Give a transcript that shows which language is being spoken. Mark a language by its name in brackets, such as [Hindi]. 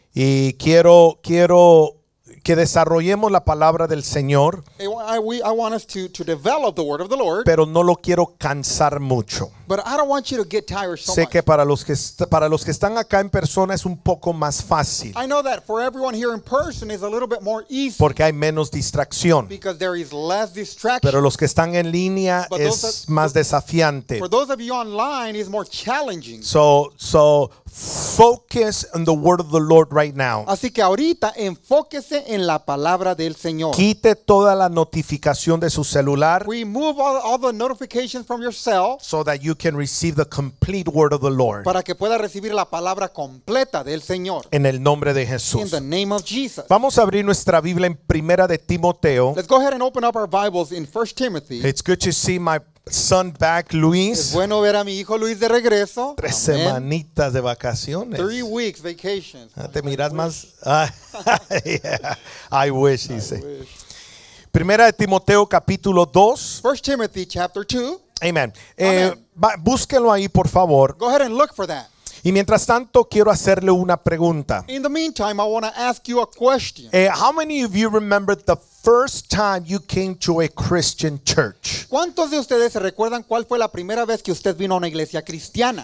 [Spanish] Y quiero que desarrollemos la palabra del Señor. [English] I want us to develop the word of the Lord. [Spanish] Pero no lo quiero cansar mucho. [English] But I don't want you to get tired so [Spanish] sé [English] much. [Spanish] Sé que para los que están acá en persona es un poco más fácil. [English] I know that for everyone here in person is a little bit more easy. [Spanish] Porque hay menos distracción. [English] Because there is less distraction. [Spanish] Pero los que están en línea [English] but [Spanish] es [English] those, [Spanish] más desafiante. [English] For those of you online is more challenging. So focus on the word of the Lord right now. [Spanish] Así que ahorita enfóquese en la palabra del Señor. Quite toda la notificación de su celular. [English] Remove all the notifications from your cell. So that you can receive the complete word of the Lord. [Spanish] Para que pueda recibir la palabra completa del Señor. En el nombre de Jesús. [English] In the name of Jesus. [Spanish] Vamos a abrir nuestra Biblia en Primera de Timoteo. [English] Let's go ahead and open up our Bibles in 1 Timothy. It's good to see my son back, Luis. [Spanish] Es bueno ver a mi hijo Luis de regreso. Tres semanitas de vacaciones. [English] 3 weeks vacations. [Spanish] Te miras más. [English] Yeah. I wish, [Spanish] dice. Primera de Timoteo, capítulo 2. [English] 1 Timothy, chapter 2. [Spanish] Amen. Búsquelo ahí, por favor. [English] Go ahead and look for that. [Spanish] Y mientras tanto, quiero hacerle una pregunta. [English] In the meantime, I want to ask you a question. How many of you remember the first time you came to a Christian church? [Spanish] ¿Cuántos de ustedes se recuerdan cuál fue la primera vez que usted vino a una iglesia cristiana?